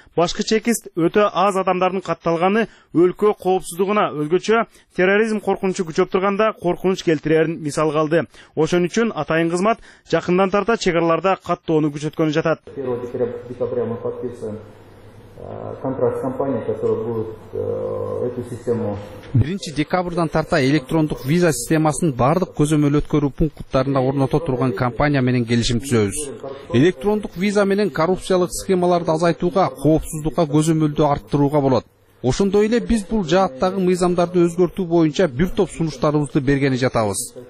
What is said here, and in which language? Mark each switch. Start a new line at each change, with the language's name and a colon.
Kyrgyz: Башкы чекист өтө аз адамдардын катталганы өлкө коопсуздугуна, өзгөчө терроризм коркунучу күчөп турганда коркунуч келтирерин мисал калды. Ошон үчүн атайын кызмат жакындан тарта чек араларда каттоону күчөткөнү жатат.
Russian: 1 декабря мы подписываем контракт с компанией, которая будет эту систему.
Kyrgyz: 1 декабрдан тарта электрондук виза системасын бардык көзөмөл өткөрүү пункттарында орното турган компания менен келишим түзөбүз. Электрондук виза менен коррупциялык схемаларды азайтууга, коопсуздукка көзөмөлдү арттырууга болот. Ошондой эле биз бул жааттагы мыйзамдарды өзгөртүү боюнча бир топ сунуштарыбызды бергени жатабыз.